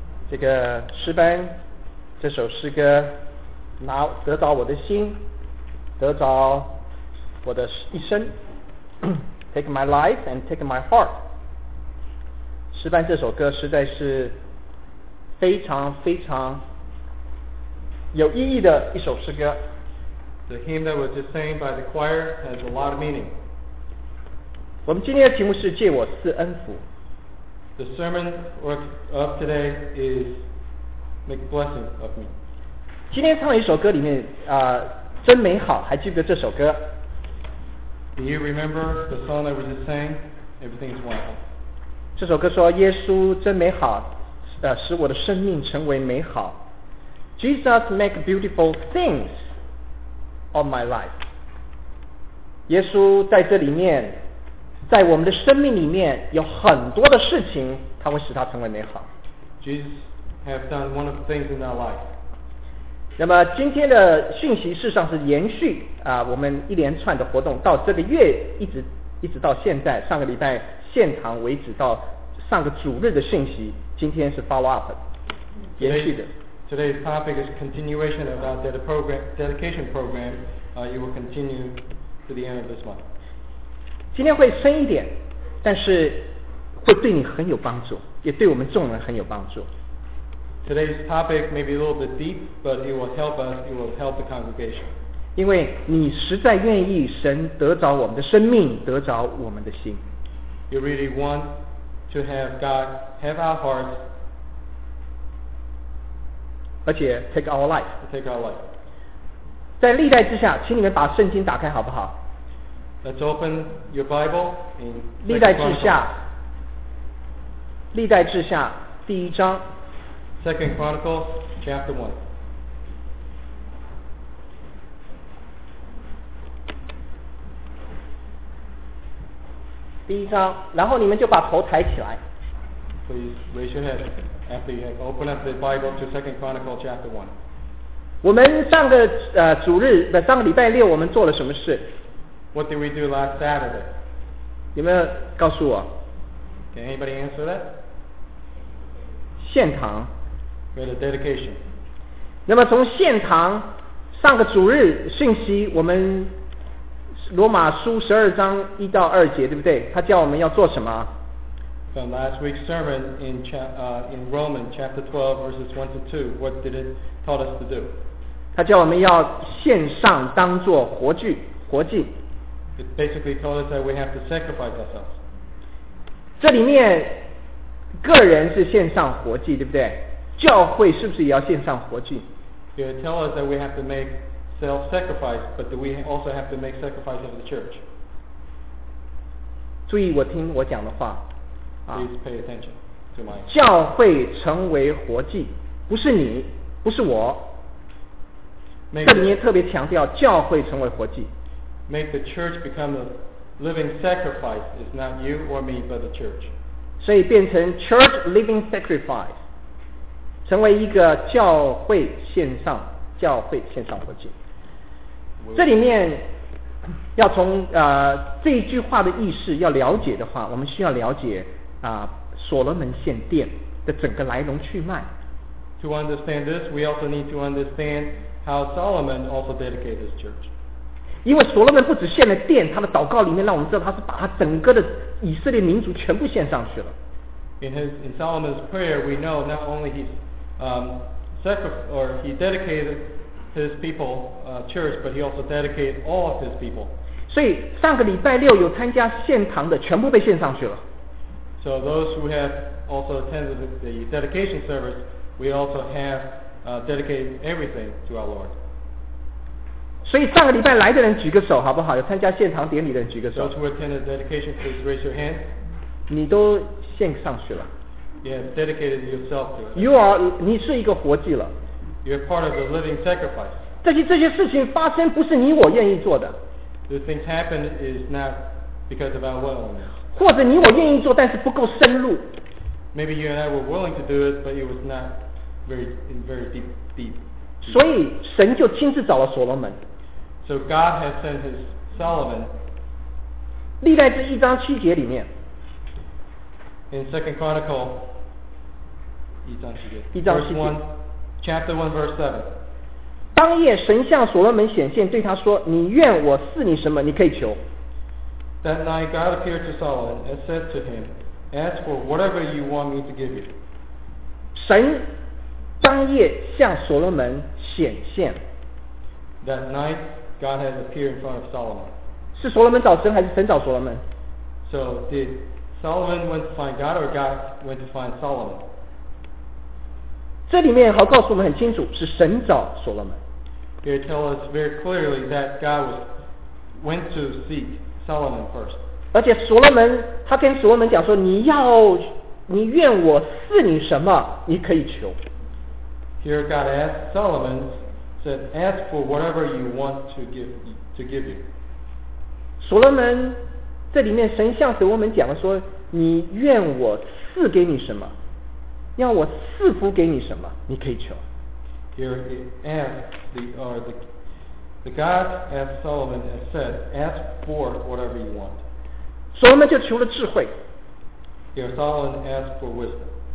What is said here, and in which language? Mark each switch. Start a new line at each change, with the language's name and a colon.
Chinese: 这个诗班，这首诗歌，拿得着我的心，得着我的一生。
English: Take my life and take my heart.
Chinese: 诗班这首歌实在是非常非常有意义的一首诗歌。
English: The hymn that was just sang by the choir has a lot of meaning.
Chinese: 我们今天的题目是借我赐恩福。
English: The sermon of today is make a blessing of me.
Chinese: 今天唱一首歌里面啊、真美好，还记得这首歌？
English: Do you remember the song that we just sang? Everything is wonderful.
Chinese: 这首歌说耶稣真美好，使我的生命成为美好。
English: Jesus make beautiful things of my life.
Chinese: 耶稣在这里面，在我们的生命里面有很多的事情，它会使它成为美好。
English: Jesus have done wonderful things in our life.
Chinese: 那么今天的讯息事实上是延续啊，我们一连串的活动到这个月一直到现在，上个礼拜现场为止到上个主日的讯息，今天是
English: follow up
Chinese: 延续的。
English: Today's topic is continuation of our dedication program. It will continue to the end of this month.
Chinese: 今天会深一点，但是会对你很有帮助，也对我们众人很有帮助。
English: Today's topic may be a little bit deep, but it will help us. It will help the congregation.
Chinese: 因为你实在愿意神得着我们的生命，得着我们的心。
English: You really want to have God have our heart.
Chinese: 而且
English: take our life, take our life.
Chinese: 在历代之下，请你们把圣经打开好不好？
English: Let's open your Bible in
Chinese: 历代志下，历代志下第一章。
English: Second Chronicles chapter one.
Chinese: 第一章，然后你们就把头抬起来。
English: Please raise your head. After you have opened up the Bible to Second Chronicle chapter 1.
Chinese: 我们上个主日的上个礼拜六我们做了什么事？
English: What did we do last Saturday?
Chinese: 有没有告诉我？
English: Can anybody answer that?
Chinese: 献堂。
English: We had a dedication.
Chinese: 那么从献堂上个主日信息，我们罗马书十二章一到二节，对不对？他叫我们要做什么？
English: From last week's sermon in Romans chapter 12 verses 1 to 2, what did it taught us to do?
Chinese: 他叫我们要献上当作活祭，活祭。
English: It basically taught us that we have to sacrifice ourselves.
Chinese: 这里面个人是献上活祭，对不对？教会是不是也要献上活祭？
English: It tells us that we have to make self-sacrifice, but that we also have to make sacrifice of the church.
Chinese: 注意我听我讲的话。
English: Please pay attention to my...
Chinese: 教会成为活祭，不是你，不是我。这里面特别强调教会成为活祭。
English: Make the church become a living sacrifice. It's not you or me, but the church.
Chinese: 所以变成
English: church living sacrifice,
Chinese: 成为一个教会献上，教会献上活祭。这里面要从这一句话的意思要了解的话，我们需要了解。所罗门献殿的整个来龙去脉。
English: To understand this, we also need to understand how Solomon also dedicated his church.
Chinese: 因为所罗门不只献了殿，他的祷告里面让我们知道他是把他整个的以色列民族全部献上去了。
English: In Solomon's prayer, we know not only he dedicated his people church, but he also dedicated all of his people.
Chinese: 所以上个礼拜六有参加献堂的，全部被献上去了。
English: So those who have also attended the dedication service, we also have dedicated everything to our Lord.
Chinese: 所以上个礼拜来的人举个手好不好？有参加献堂典礼的人举个手。
English: Those who attended dedication, please raise your hand.
Chinese: 你都献上去了。
English: Yeah, dedicated yourself to it. You
Chinese: 是一个活祭了。
English: You're part of the living sacrifice.
Chinese: 这些事情发生不是你我愿意做的。
English: The things happen is not because of our will. Now.
Chinese: 或者你我愿意做，但是不够深入。
English: Maybe you and I were willing to do it, but it was not very, very deep, deep.
Chinese: 所以神就亲自找了所罗门。
English: So God has sent his Solomon.
Chinese: 历代志一章七节里面。
English: In 2 Chronicles,
Chinese: 一章七节,
English: chapter 1, verse 7.
Chinese: 当夜神向所罗门显现，对他说，你愿我赐你什么，你可以求。
English: That night God appeared to Solomon and said to him, ask for whatever you want me to give you.
Chinese: 神当夜向所罗门显现。
English: That night God has appeared in front of Solomon.
Chinese: 是所罗门找神还是神找所罗门？
English: So did Solomon went to find God or God went to find Solomon?
Chinese: 这里面好告诉我们很清楚，是神找所罗门。
English: Here it tells us very clearly that God went to seek Solomon first.
Chinese: 而且所罗门他跟所罗门讲说，你要你愿我赐你什么，你可以求。
English: Here God asked Solomon, said, ask for whatever you want to give you.
Chinese: 所罗门这里面神向所罗门讲说，你愿我赐给你什么，要我赐福给你什么，你可以求。
English: Here he asked the God asked Solomon and said, ask for whatever you want.
Chinese: 所罗门就求了智慧。
English: Here Solomon asked for wisdom.